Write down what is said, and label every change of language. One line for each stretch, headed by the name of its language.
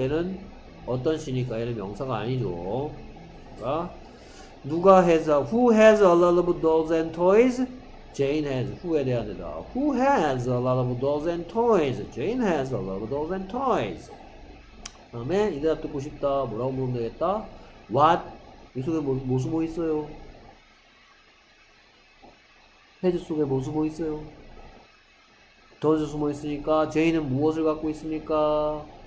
Korean: 얘는 어떤 시니까 얘는 명사가 아니죠. 그러니까 누가
English: has a, who has a lot of dolls and toys? Jane has, who에 대한 대답. Who has a lot of dolls and toys? Jane has a lot of dolls and toys.
Korean: 다음에 이 대답 듣고 싶다. 뭐라고 물으면 되겠다?
English: What?
Korean: 이 속에 뭐 있어요? 헤즈 속에 뭐 있어요? 더즈 숨어 있으니까 제인은 무엇을 갖고 있습니까?